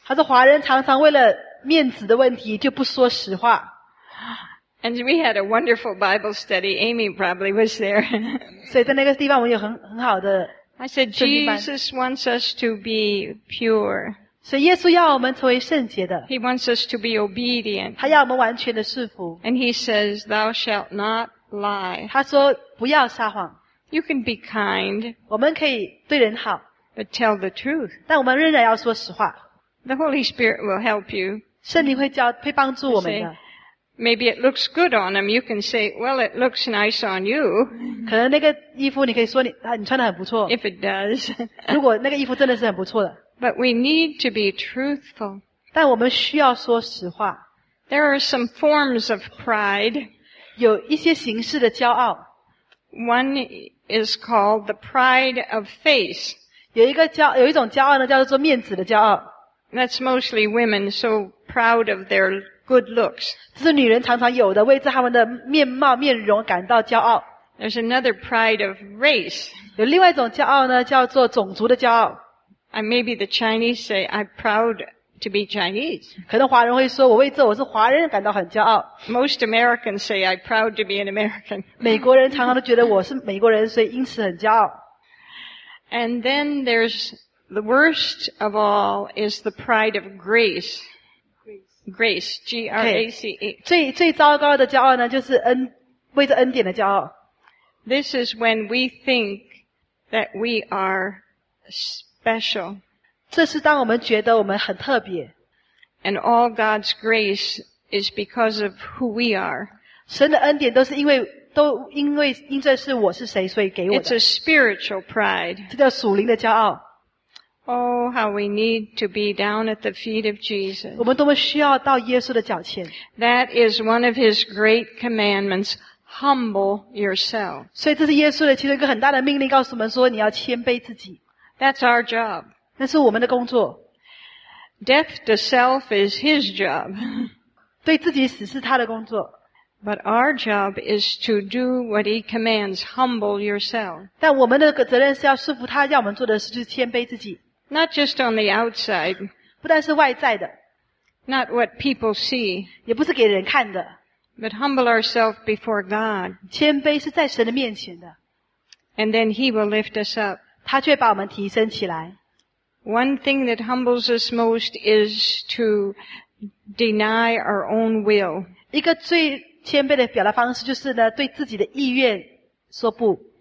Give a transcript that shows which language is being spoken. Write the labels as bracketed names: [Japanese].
[Chinese] 她说华人常常为了面子的问题就不说实话。 [English] And we had a wonderful Bible study. Amy probably was there. [Chinese] 所以在那个地方我们有很好的 [English] I said, Jesus wants us to be pure. [Chinese] 所以耶稣要我们成为圣洁的。 [English] He wants us to be obedient. [Chinese] 他要我们完全的顺服。 [English] And he says, thou shalt not lie. [Chinese] 他说不要撒谎。 [English] You can be kind. [Chinese] 我们可以对人好。 [English] But tell the truth. [Chinese] 但我们仍然要说实话。 [English] The Holy Spirit will help you. [Chinese] 圣灵会帮助我们的。 [English] Maybe it looks good on him. You can say, well, it looks nice on you. [Chinese] 可能那个衣服你可以说 你穿得很不错。 [English] If it does. [Chinese] 如果那个衣服真的是很不错的。 [English] But we need to be truthful. [Chinese] 但我们需要说实话。 [English] There are some forms of pride. [Chinese] 有一些形式的骄傲。 [English] One is called the pride of face. [Chinese] 有一种骄傲呢叫做面子的骄傲。 [English] That's mostly women so proud of their good looks. [Chinese] 这是女人常常有的为着他们的面貌面容感到骄傲。 [English] There's another pride of race. [Chinese] 有另外一种骄傲呢叫做种族的骄傲。 [English] And maybe the Chinese say, I'm proud to be Chinese. [Chinese] 可能华人会说我为这我是华人感到很骄傲。 [English] Most Americans say, I'm proud to be an American. [Chinese] 美国人常常都觉得我是美国人所以因此很骄傲。 [English] And then there's the worst of all is the pride of grace. Grace, G-R-A-C-E. Okay. [Chinese] 最糟糕的骄傲呢就是为着恩典的骄傲。 [English] This is when we think that we are special. [Chinese] 这是当我们觉得我们很特别。 [English] And all God's grace is because of who we are. [Chinese] 神的恩典都是因为都因为因着是我是谁所以给我的。 [English] It's a spiritual pride. [Chinese] 这叫属灵的骄傲。 [English] Oh, how we need to be down at the feet of Jesus. [Chinese] 我们多么需要到耶稣的脚前。 [English] That is one of his great commandments, humble yourself. [Chinese] 所以这是耶稣的其中一个很大的命令告诉我们说你要谦卑自己。 [English] That's our job. [Chinese] 那是我们的工作。 [English] Death to self is his job. [Chinese] 对自己死是他的工作。 [English] But our job is to do what he commands, humble yourself. [Chinese] 但我们的责任是要顺服他要我们做的事就是谦卑自己。 [English] Not just on the outside. [Chinese] 不但是外在的。 [English] Not what people see. [Chinese] 也不是给人看的。 [English] But humble ourselves before God. [Chinese] 谦卑是在神的面前的。 [English] And then he will lift us up. [Chinese] 他却把我们提升起来。 [English] One thing that humbles us most is to deny our own will. [Chinese] 一个最谦卑的表达方式就是呢对自己的意愿说不。